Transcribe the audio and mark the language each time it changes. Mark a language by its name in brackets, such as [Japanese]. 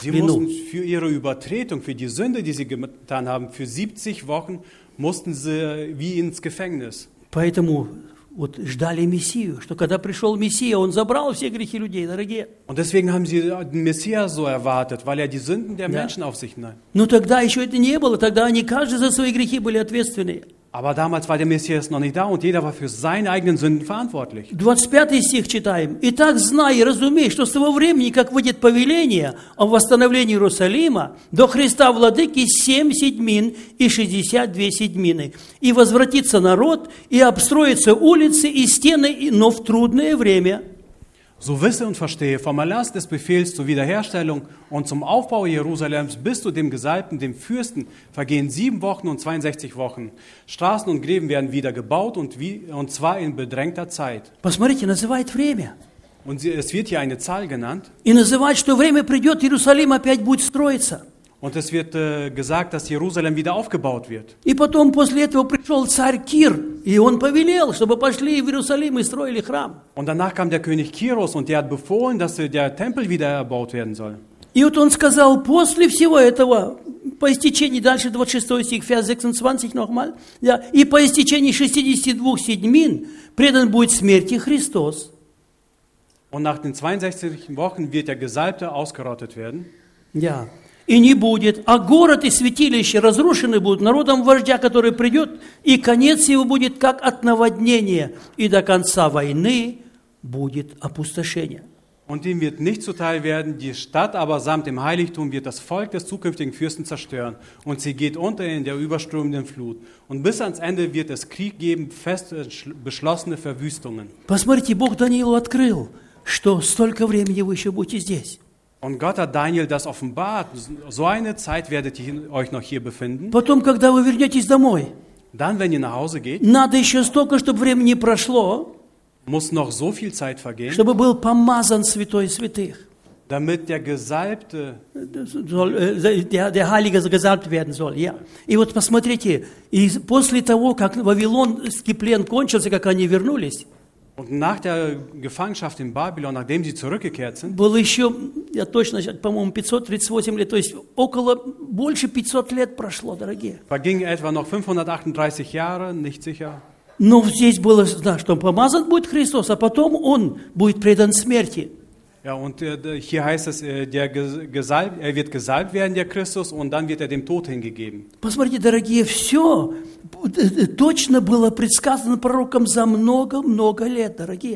[Russian] плену. [German] Sie mussten für ihre Übertretung, für die Sünde, die sie getan haben, für 70 Wochen mussten sie wie ins Gefängnis. [Russian] Поэтому вот ждали Мессию, что когда пришел Мессия, он забрал все грехи людей, дорогие. [German] Und deswegen haben sie den Messias so erwartet, weil er die Sünden der Menschen auf sich nahm. [Russian] Но тогда еще это не было, тогда они каждый за свои грехи были ответственны. [German] Aber damals war der Messias noch nicht da und jeder war für seine eigenen Sünden verantwortlich. [Russian] 25 стих читаем. Итак, знай и разумей, что с того времени, как выйдет повеление о восстановлении Иерусалима, до Христа Владыки 7 седьмин и 62 седьмины, и возвратится народ, и обстроятся улицы и стены, но в трудное время. [German] So wisse und verstehe, vom Erlass des Befehls zur Wiederherstellung und zum Aufbau Jerusalems bis zu dem Gesalbten, dem Fürsten, vergehen 7 Wochen und 62 Wochen. Straßen und Gräben werden wieder gebaut und zwar in bedrängter Zeit. [Russian] Посмотрите, называет время. [German] Und es wird hier eine Zahl genannt. [Russian] И называет, что время придет, Иерусалим опять будет строиться. [German] Und es wird gesagt, dass Jerusalem wieder aufgebaut wird. [Russian] И потом, после этого, пришел царь Кир, и он повелел, чтобы пошли в Иерусалим и строили храм. [German] Und danach kam der König Kyros, und der hat befohlen, dass der Tempel wieder erbaut werden soll. [Russian] И вот он сказал, после всего этого, по истечении, дальше 26 стих, [German] Vers 26 nochmal, ja, [Russian] и по истечении 62 седьмин предан будет смерти Христос. [German] Und nach den 62 Wochen wird der Gesalbte ausgerottet werden. Ja. [Russian] И не будет, а город и святилище разрушены будут народом вождя, который придет, и конец его будет как от наводнения, и до конца войны будет опустошение. [German] Und ihm wird nicht zuteil werden, die Stadt aber samt dem Heiligtum wird das Volk des zukünftigen Fürsten zerstören, und sie geht unter in der überströmenden Flut. Und bis ans Ende wird es Krieg geben, fest beschlossene Verwüstungen. [Russian] Посмотрите, Бог Даниилу открыл, что столько времени вы еще будете здесь. [German] Und Gott hat Daniel das offenbart, so eine Zeit werdet ihr euch noch hier befinden. [Russian] Потом, когда вы вернетесь домой, [German] dann, wenn ihr nach Hause geht, [Russian] надо еще столько, чтобы времени прошло, [German] muss noch so viel Zeit vergehen, [Russian] чтобы был помазан святой святых, [German] damit der Gesalbte, soll, der Heilige gesalbt werden soll, ja. [Russian] И вот посмотрите, и после того, как вавилонский плен кончился, как они вернулись, [German] und nach der Gefangenschaft in Babylon, nachdem sie zurückgekehrt sind, [Russian] было еще, я точно, по-моему, 538 лет, то есть около больше 500 лет прошло, дорогие. [German] Verging etwa noch 538 Jahre, nicht sicher. [Russian] Но здесь было, да, что помазан будет Христос, а потом он будет предан смерти. [German] Ja, und hier heißt es, der gesalbt, er wird gesalbt werden, der Christus, und dann wird dem Tod hingegeben. [Russian] Посмотрите, дорогие, все точно было предсказано пророком за много-много лет, дорогие.